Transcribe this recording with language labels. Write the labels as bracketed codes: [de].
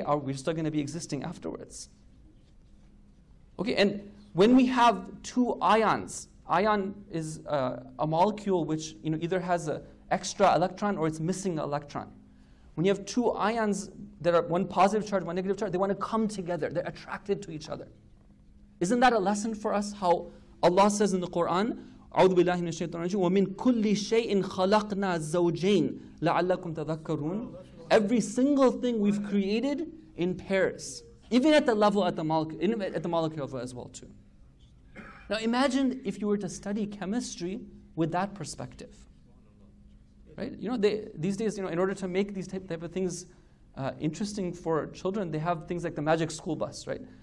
[en] Are we still going to be existing afterwards? Okay, and when we have two ions, ion is a molecule which, you know, either has an extra electron or it's missing an electron. When you have two ions that are one positive charge, one negative charge, they want to come together. They're attracted to each other. Isn't that a lesson for us? How Allah says in the Quran, [ar] أعوذ بالله من الشيطان الرجيم ومن كل شيء خلقنا زوجين لعلكم تذكرون. [en] Every single thing we've created in pairs, even at the level at the molecule level as well too. Now imagine if you were to study chemistry with that perspective, right? You know, these days, you know, in order to make these type of things interesting for children, they have things like the magic school bus, right?